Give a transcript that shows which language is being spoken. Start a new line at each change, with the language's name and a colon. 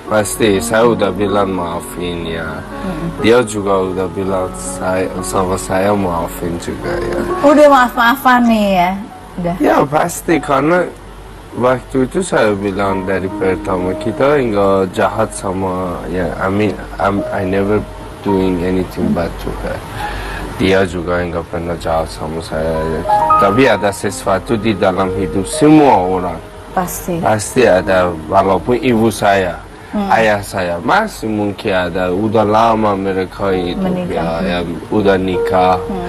Indonesian: Pasti saya udah bilang maafin ya. Dia juga udah bilang sama saya maafin juga ya. Udah maaf-maafan nih ya? Udah. Ya pasti, karena waktu itu saya bilang dari pertama kita enggak jahat sama ya.
English: I never doing anything bad to her.
Indonesian: Dia juga enggak pernah jahat sama saya. Tapi ada sesuatu di dalam hidup semua orang. Pasti ada, walaupun ibu saya, ayah saya, masih mungkin ada. Udah lama mereka hidup, ya, udah nikah.